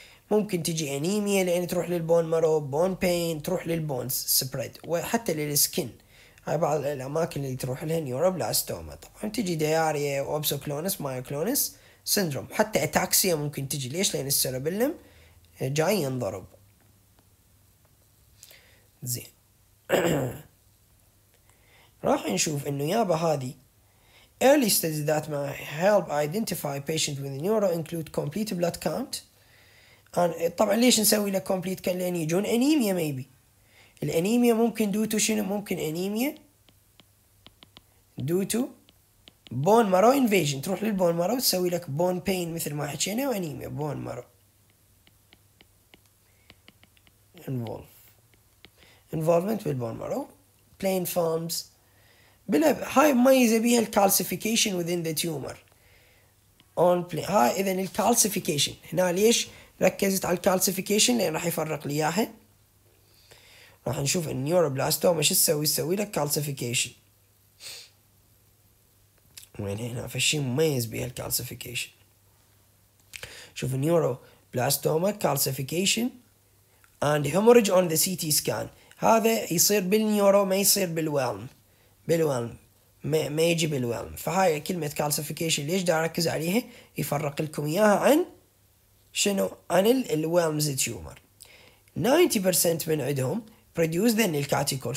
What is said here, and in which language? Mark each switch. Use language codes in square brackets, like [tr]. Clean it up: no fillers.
[ar] ممكن تجي أنيميا لأن تروح للبون مرو, بون بين تروح للبونز سبريد, وحتى للسكن هاي بعض الأماكن اللي تروح لها نيوروبلا استوما. طبعا تجي دياريا وأوبسوكلونس مايوكلونس سندروم, حتى اتاكسيا ممكن تجي. ليش؟ لان السيربلم جاي ينضرب. زين راح نشوف انه يابا هذه [en] early studies that may help identify patient with neuro include complete blood count. [ar] طبعا ليش نسوي له complete count؟ لان يجون انيميا maybe. الانيميا ممكن due to شنو؟ ممكن انيميا due to بون مارو انفيجن, تروح للبون مارو تسوي لك بون بين مثل ما حكينا, وانيميا بون مارو انفولفمنت بالبون مارو بلين فورمز. هاي مميزة بيها الكالسيفيكيشن [en] within the tumor on plane. [ar] هاي اذا الكالسيفيكيشن هنا ليش ركزت على الكالسيفيكيشن؟ لان راح يفرق لي اياها. راح نشوف النيوروبلاستوما شو تسوي, تسوي لك كالسيفيكيشن. وين هنا فشي مميز بها الكالسيفيكيشن. شوف النيورو بلاستوما كالسيفيكيشن [en] and hemorrhage on the CT scan. [ar] هذا يصير بالنيورو ما يصير بالوالم, بالوالم ما يجي بالوالم. فهاي كلمة كالسيفيكيشن ليش دا أركز عليها؟ يفرق لكم إياها عن شنو؟ عن الوالمز تيومر. 90% من عندهم [en] produce then [ar] الكاتيكول.